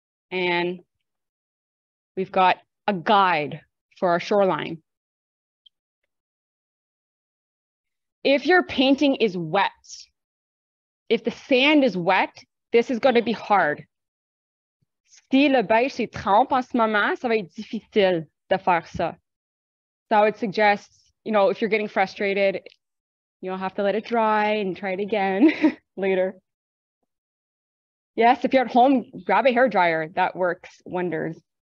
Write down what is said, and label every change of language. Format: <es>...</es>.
<en>And we've got a guide for our shoreline. If your painting is wet, if the sand is wet, this is going to be hard.</en> <fr>Si le beige se trempe en ce moment, ça va être difficile de faire ça.</fr> <en>So I would suggest, you know, if you're getting frustrated, you'll have to let it dry and try it again later. Yes, if you're at home, grab a hairdryer. That works wonders.</en>